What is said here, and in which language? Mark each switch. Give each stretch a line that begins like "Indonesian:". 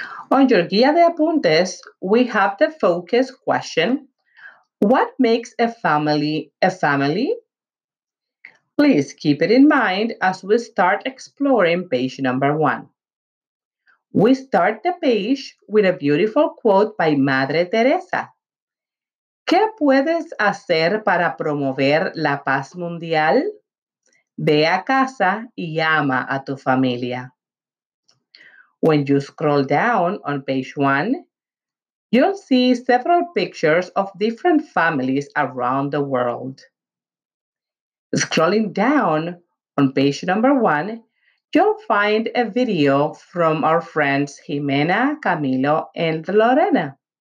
English: On your
Spanish: guía de apuntes,
English: we have the focus question, what makes a family? Please keep it in mind as we start exploring page number one. We start the page with a beautiful quote by Madre Teresa.
Spanish: ¿Qué puedes hacer para promover la paz mundial? Ve a casa y ama a tu familia.
English: When you scroll down on page one, you'll see several pictures of different families around the world. Scrolling down on page number one, you'll find a video from our friends Jimena, Camilo, and Lorena.